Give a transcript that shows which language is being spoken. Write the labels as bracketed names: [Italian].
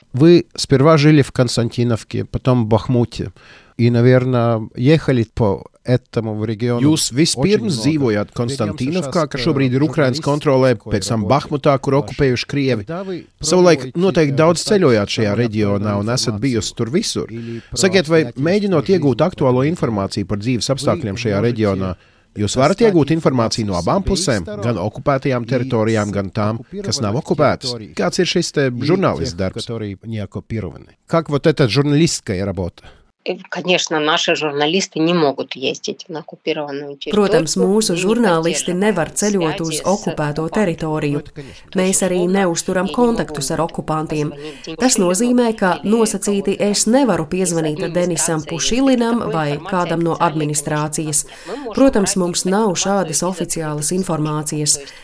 [Russian] вы сперва жили в Константиновке, потом в Бахмуте. И, наверное, ехали по этому в регион. [Latvian] Jūs vispirms dzīvojāt Konstantīnovkā, ka šobrīd ir Ukrainas kontrolē, pēc tam Bahmutā, kur okupējuši Krievi. Savulaik noteikti daudz ceļojāt šajā reģionā un esat bijusi tur visur. Sakiet, vai mēģinot iegūt aktuālo informāciju par dzīves apstākļiem šajā reģionā, jūs varat iegūt informāciju no abām pusēm, gan okupētajām teritorijām, gan tām, kas nav okupētas? Kāds ir šis te žurnālists darbs? [Russian] Как вот эта журналистская работа? Конечно, наши журналисты не могут ездить на оккупированную территорию. [Latvian] Protams, mūsu žurnālisti nevar ceļot uz okupēto teritoriju. Mēs arī neuzturam kontaktus ar okupantiem. Tas nozīmē, ka nosacīti es nevaru piezvanīt Denisam Pušilinam vai kādam no administrācijas. Protams, mums nav šādas oficiālas informācijas.